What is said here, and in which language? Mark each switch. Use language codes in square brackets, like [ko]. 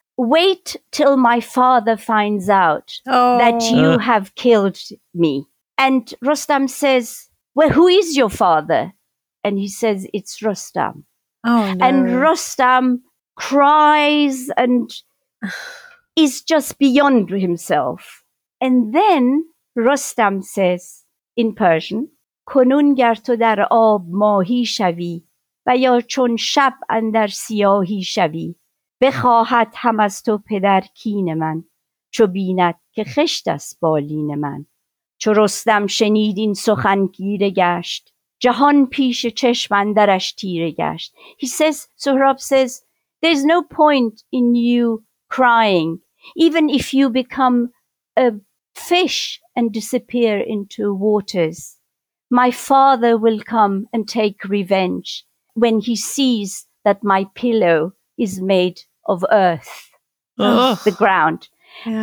[en] wait till my father finds out that you have killed me. And Rustam says, well, who is your father? And he says, it's Rustam. Oh, no. And Rustam cries and is just beyond himself. And then Rustam says in Persian, [fa] کنون گر تو در آب ماهی شوی و یا چون شب اندر سیاهی شوی بخواهد هم از تو پدر کین من چو بیند که خشت است بالین من. چو رستم شنید این سخن گیره گشت جهان پیش چشم اندرش تیره گشت. [en] He says, Sohrab says, there's no point in you crying, even if you become a fish and disappear into waters. My father will come and take revenge when he sees that my pillow is made of earth, the ground. Yeah.